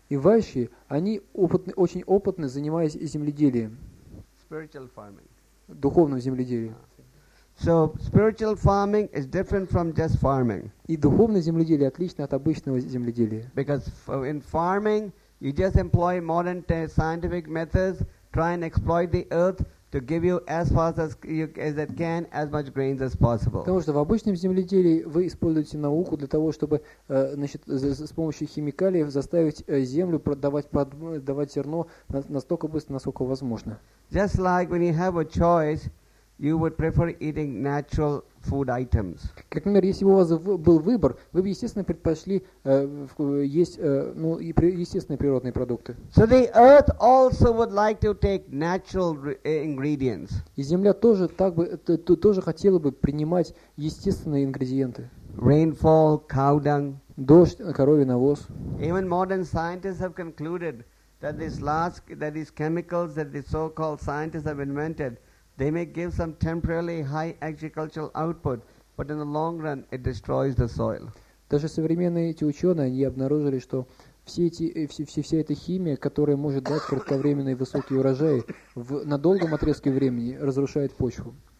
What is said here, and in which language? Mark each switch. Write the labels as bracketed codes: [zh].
[ru] И Вайши, они очень опытны, занимаясь земледелием. [en] Spiritual farming. [ru] Духовным земледелием. [en] So spiritual farming is different from just farming. [ru] И духовное земледелие отлично от обычного земледелия. [en] Because in farming, you just employ modern scientific methods, try and exploit the earth to give you as fast as you as it can as much grains as possible. [ru] Потому что в обычном земледелии вы используете науку для того, чтобы с помощью химикалий заставить землю давать зерно настолько быстро, насколько возможно. [en] Just like when you have a choice, you would prefer eating natural food items. [ru] Как, например, если бы у вас был выбор, вы бы естественно предпочли естественные природные продукты. [en] So the earth also would like to take natural ingredients. [ru] И земля тоже тоже хотела бы принимать естественные ингредиенты. [en] Rainfall, cow dung. [ru] Дождь, коровий навоз. [en] Even modern scientists have concluded that these chemicals that the so-called scientists have invented, they may give some temporarily high agricultural output, but in the long run it destroys the soil. [ru] Даже современные эти ученые, они обнаружили, что вся эта химия, которая может дать кратковременный высокий урожай, на долгом отрезке времени разрушает почву.